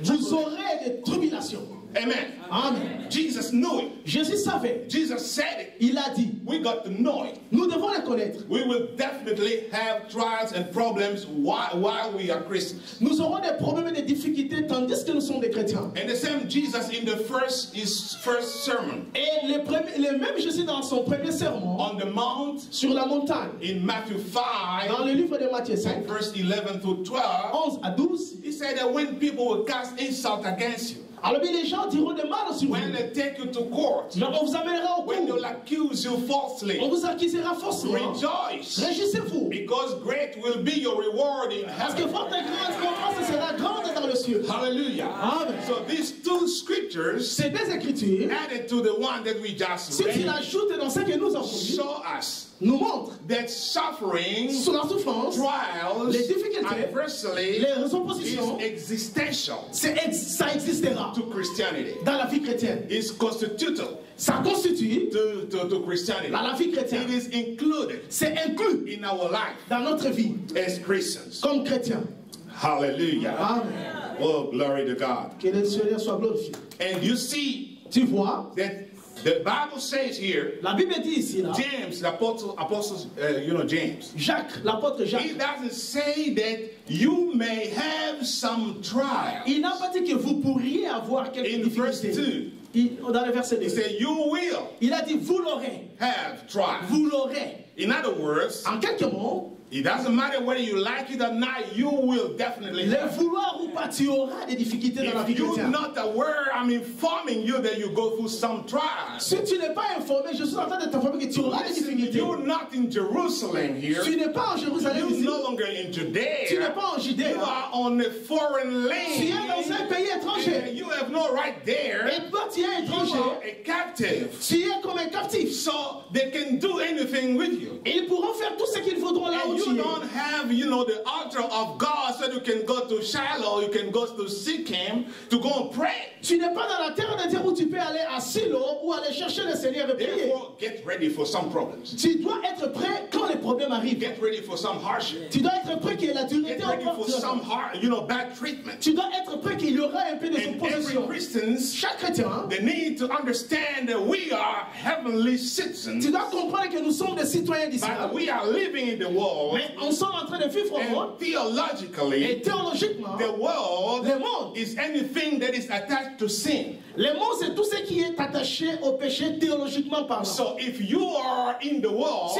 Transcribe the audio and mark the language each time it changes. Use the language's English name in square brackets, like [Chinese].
[French] Vous aurez des tribulations. Amen. Amen. [English] Jesus knew it. [French] Jésus savait. [English] Jesus said it. [French] Il a dit. [English] We got to know it. [French] Nous devons le connaître. [English] We will definitely have trials and problems while we are Christians. [French] Nous aurons des problèmes et des difficultés tandis que nous sommes des chrétiens. [English] And the same Jesus in his first sermon. [French] Et le même Jésus dans son premier sermon. [English] On the mount. [French] Sur la montagne. [English] In Matthew 5. [French] Dans le livre de Matthieu 5. [English] Verse 11 to 12. [French] 11 à 12. [English] He said that when people will cast insult against you. [French] Alors bien les gens diront de mal sur [English] when [French] vous. [English] They take you to court, [French] non, on vous amènera au cours. [English] When they'll accuse you falsely, [French] on vous accusera faussement. [English] Rejoice, [French] réjouissez-vous. [English] Because great will be your reward in heaven. [French] Parce que votre récompense sera grande dans le ciel. [English] Hallelujah. [French] Amen. [English] So these two scriptures, [French] ces deux écritures, [English] added to the one that we just read, [French] si tu l'ajoutes dans ce que nous avons dit, [English] show us. [French] Nous montre [English] that suffering, [French] sur la souffrance, [English] trials, [French] les difficultés, les oppositions, [English] existential, [French] ça existera [English] to Christianity, [French] dans la vie chrétienne, [English] is constitutional. [French] Ça constitue [English] to Christianity. [French] La vie chrétienne. [English] It is included, [French] c'est inclus [English] in our life, [French] dans notre vie, [English] as Christians, [French] comme chrétiens. [English] Hallelujah. [French] Amen. [English] Oh, glory to God. [French] Que le Seigneur soit glorifié. [English] And you see, [French] tu vois, [English] that the Bible says here, [French] la Bible dit ici, là, [English] James, the apostle, you know, James. [French] Jacques, l'apôtre Jacques. [English] He doesn't say that you may have some trials. [French] Il n'a pas dit que vous pourriez avoir quelques difficultés. [English] In verse 2, [French] dans le verset 2, [English] he said you will. [French] Il a dit vous l'aurez. [English] Have trials. [French] Vous l'aurez. [English] In other words, [French] en quelques mots, [English] it doesn't matter whether you like it or not, you will definitely [French] le vouloir ou pas, tu auras des difficultés dans la vie chrétienne. [English] If you're not aware, I'm informing you that you go through some trials. [French] Si tu n'es pas informé, je suis en train de t'informer que tu auras des difficultés. [English] You're not in Jerusalem here. [French] Tu n'es pas en Jérusalem. [English] You're no longer in Judea. [French] Tu n'es pas en Judée. [English] You are on a foreign land. [French] Tu es dans un pays étranger. [English] You have no right there. [French] Et toi, tu es étranger. [English] You are a captive. [French] Tu es comme un captif. [English] So they can do anything with you. [French] Ils pourront faire tout ce qu'ils voudront là où [English] you don't have, you know, the altar of God so you can go to Shiloh, you can go to seek him to go and pray. [French] Tu n'es pas dans la terre de Dieu où tu peux aller à Silo ou aller chercher le Seigneur et prier. [English] Therefore, get ready for some problems. [French] Tu dois être prêt quand les problèmes arrivent. [English] Get ready for some hardship. [French] Tu dois être prêt qu'il y ait la dureté. [English] Get ready for some hard, you know, bad treatment. [French] Tu dois être prêt qu'il y aura un peu de opposition. Chaque chrétien, [English] they need to understand that we are heavenly citizens. [French] Tu dois comprendre que nous sommes des citoyens d'ici. [English] But we are living in the world. [French] Mais on sommes en train de vivre au monde. [English] Theologically, [French] et théologiquement, [English] the world, [French] le monde, [English] is anything that is attached to sin. [French] Le monde c'est tout ce qui est attaché au péché théologiquement parlant. [English] So if you are in the world,